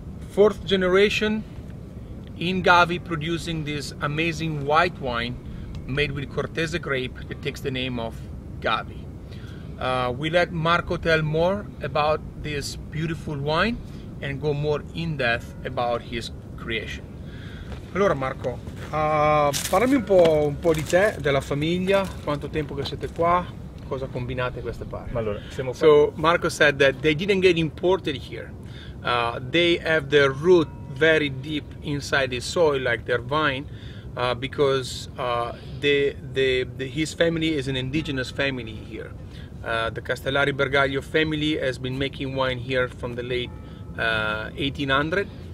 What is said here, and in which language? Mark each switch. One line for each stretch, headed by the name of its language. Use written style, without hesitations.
English: Fourth generation in Gavi producing this amazing white wine made with Cortese grape that takes the name of Gavi. We let Marco tell more about this beautiful wine and go more in depth about his creation.
Italian: Allora Marco, parlami un po' di te, della famiglia, quanto tempo che siete qua, cosa combinate queste parti? Ma allora, siamo qua.
English: So Marco said that they didn't get imported here. They have their root very deep inside the soil, like their vine, because his family is an indigenous family here. The Castellari Bergaglio family has been making wine here from the late 1800.